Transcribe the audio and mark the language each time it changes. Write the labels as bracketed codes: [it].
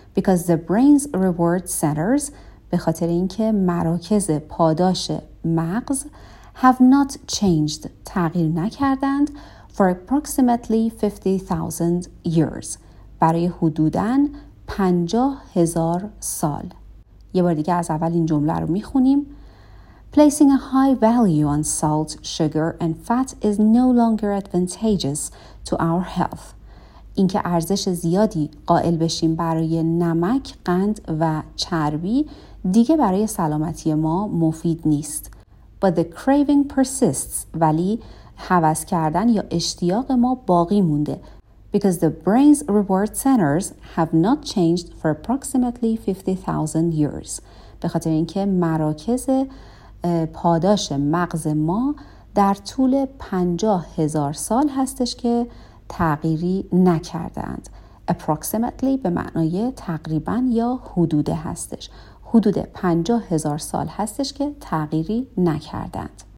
[en] Because the brain's reward centers، [fa] به خاطر اینکه مراکز پاداش مغز، [en] have not changed، [fa] تغییر نکردند، [en] for approximately 50,000 years، [fa] برای حدوداً 50,000 سال. یه بار دیگه از اول این جمله رو میخونیم. [en] Placing a high value on salt, sugar and fat is no longer advantageous to our health. [fa] اینکه ارزش زیادی قائل بشیم برای نمک، قند و چربی دیگه برای سلامتی ما مفید نیست. [en] But the craving persists، [fa] ولی هوس کردن یا اشتیاق ما باقی مونده. [en] Because the brain's reward centers have not changed for approximately 50,000 years. [fa] به خاطر اینکه مراکز پاداش مغز ما در طول 50,000 سال هستش که تغییری نکردند. Approximately به معنای تقریبا یا حدوده هستش. حدود 50,000 سال هستش که تغییری نکردند.